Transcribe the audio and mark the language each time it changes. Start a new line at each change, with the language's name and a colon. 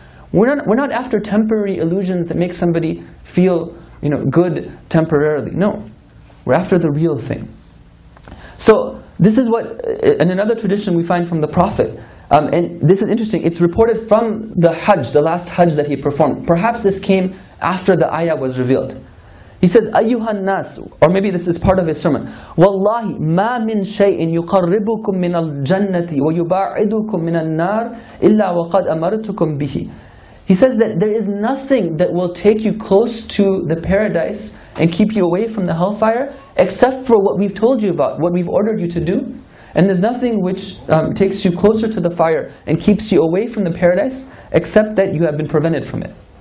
English: We're not after temporary illusions that make somebody feel, you know, good temporarily. No, we're after the real thing. So this is what, in another tradition we find from the Prophet, and this is interesting, it's reported from the Hajj, the last Hajj that he performed. Perhaps this came after the ayah was revealed. He says,
Arabic: أَيُّهَا النَّاسُ,
English: or maybe this is part of his sermon,
Arabic: وَاللَّهِ مَا مِن شَيْءٍ يُقَرِّبُكُم مِّنَ الْجَنَّةِ وَيُبَاعِدُكُم مِّنَ النَّارِ إِلَّا وَقَدْ أَمَرْتُكُم بِهِ.
English: He says that there is nothing that will take you close to the paradise and keep you away from the hellfire except for what we've told you about, what we've ordered you to do. And there's nothing which takes you closer to the fire and keeps you away from the paradise except that you have been prevented from it.